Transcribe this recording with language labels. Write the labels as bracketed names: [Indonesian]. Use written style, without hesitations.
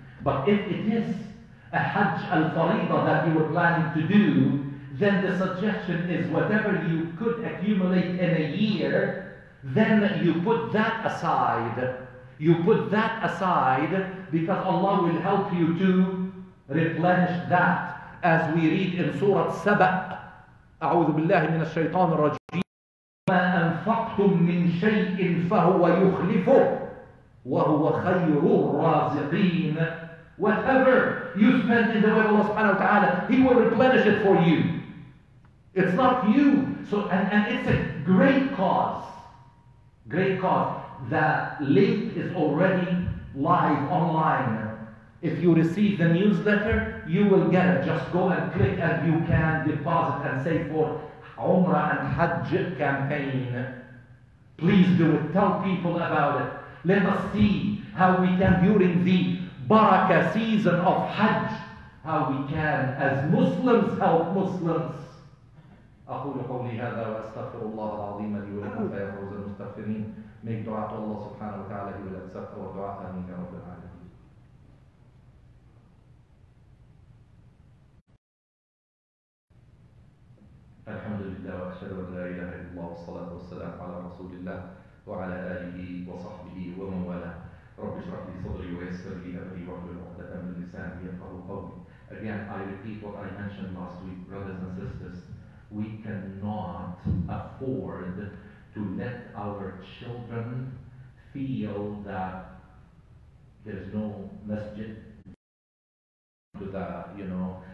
[English] But if it is a Hajj al-Fariqa that you were planning to do, then the suggestion is whatever you could accumulate in a year, then you put that aside. You put that aside because Allah will help you to replenish that. As we read in Surah Sabah, [Arabic] أعوذ بالله من الشيطان الرجيم ما أنفقتم من شيء فهو يخلفه وهو خير الرازقين. [English] Whatever you spend in the way of Allah subhanahu wa ta'ala, He will replenish it for you. It's not you. So it's a great cause. Great cause. The link is already live online. If you receive the newsletter, you will get it. Just go and click and you can deposit and save for Umrah and Hajj campaign. Please do it. Tell people about it. Let us see how we can, during the Barakah season of Hajj, how we can, as Muslims, help Muslims. [Arabic] أقول قولي هذا وأستغفر الله العظيم لي ولكم فيفوز المستغفرين make دعاء الله سبحانه وتعالى لي ولأستغفر ودعاء أمين يا رب العالمين. الحمد لله وأشهد أن لا إله إلا الله والصلاة والسلام على رسول الله وعلى آله وصحبه ومن والاه. رب اشرح لي صدري ويسر لي أمري واحلل عقدة من لساني يفقهوا قولي. [English] Again, I repeat what I mentioned last week, brothers and sisters. We cannot afford to let our children feel that there's no masjid to that, you know.